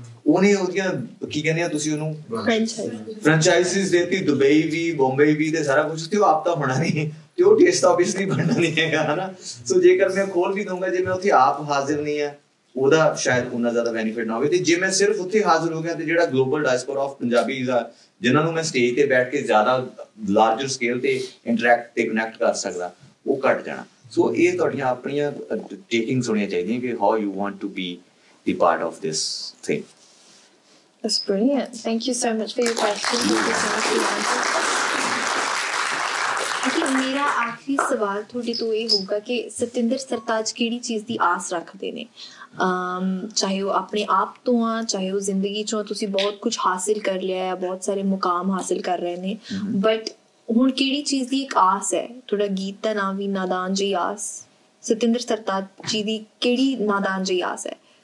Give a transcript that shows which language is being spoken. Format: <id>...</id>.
<pa>ਉਹਨੇ ਉਹਦੀਆਂ ਕੀ ਕਹਿੰਦੇ ਆ ਤੁਸੀਂ ਉਹਨੂੰ ਫਰੈਂਚਾਈਜ਼ਿਸ ਦੇਤੀ ਦੁਬਈ ਵੀ ਬੰਬਈ ਵੀ ਤੇ ਸਾਰਾ ਕੁਝ ਤੇ ਉਹ ਆਪ ਤਾਂ ਬਣਾ ਨਹੀਂ ਤੇ ਉਹ ਟੇਸਟ ਤਾਂ ਆਬਵੀਅਸਲੀ ਬਣਨਾ ਨਹੀਂ ਹੈਗਾ ਹਨਾ ਸੋ ਜੇਕਰ ਮੈਂ ਖੋਲ ਵੀ ਦਊਂਗਾ ਜੇ ਮੈਂ ਉੱਥੇ ਆਪ ਹਾਜ਼ਰ ਨਹੀਂ ਹਾਂ ਉਹਦਾ ਸ਼ਾਇਦ ਉਨਾ ਜ਼ਿਆਦਾ ਬੈਨੀਫਿਟ ਨਾ ਹੋਵੇ ਤੇ ਜੇ ਮੈਂ ਸਿਰਫ ਉੱਥੇ ਹਾਜ਼ਰ ਹੋ ਗਿਆ ਤੇ ਜਿਹੜਾ</pa> <en>global diaspora of Punjabi</en> <pa>ਆ ਜਿਹਨਾਂ ਨੂੰ ਮੈਂ ਸਟੇਜ ਤੇ ਬੈਠ ਕੇ ਜ਼ਿਆਦਾ ਲਾਰਜਰ ਸਕੇਲ ਤੇ ਇੰਟਰੈਕਟ ਤੇ ਕਨੈਕਟ ਕਰ ਸਕਦਾ ਉਹ ਘੱਟ ਜਾਣਾ ਸੋ ਇਹ ਤੁਹਾਡੀਆਂ ਆਪਣੀਆਂ ਟੇਕਿੰਗਸ ਹੋਣੀਆਂ ਚਾਹੀਦੀਆਂ ਕਿ</pa> <en>How you want to be the part of this thing. That's brilliant. Thank you so much for your question. Thank you so much for your answer.</en> <pa>ਮੇਰਾ ਆਖਰੀ ਸਵਾਲ ਤੁਹਾਡੇ ਤੋਂ ਇਹ ਹੋਊਗਾ ਕਿ ਸਤਿੰਦਰ ਸਰਤਾਜ ਕਿਹੜੀ ਚੀਜ਼ ਦੀ ਆਸ ਰੱਖਦੇ ਨੇ ਚਾਹੇ ਉਹ ਆਪਣੇ ਆਪ ਤੋਂ ਆ ਚਾਹੇ ਉਹ ਜ਼ਿੰਦਗੀ ਚੋਂ ਤੁਸੀਂ ਬਹੁਤ ਕੁਛ ਹਾਸਿਲ ਕਰ ਲਿਆ ਹੈ ਬਹੁਤ ਸਾਰੇ ਮੁਕਾਮ ਹਾਸਿਲ ਕਰ ਰਹੇ ਨੇ ਬਟ ਹੁਣ ਕਿਹੜੀ ਚੀਜ਼ ਦੀ ਇੱਕ ਆਸ ਹੈ ਤੁਹਾਡਾ ਗੀਤ ਦਾ ਨਾਮ ਵੀ ਨਾਦਾਨ ਜਿਹੀ ਆਸ ਸਤਿੰਦਰ ਸਰਤਾਜ ਜੀ ਦੀ ਕਿਹੜੀ ਨਾਦਾਨ ਜਿਹੀ ਆਸ ਹੈ</pa>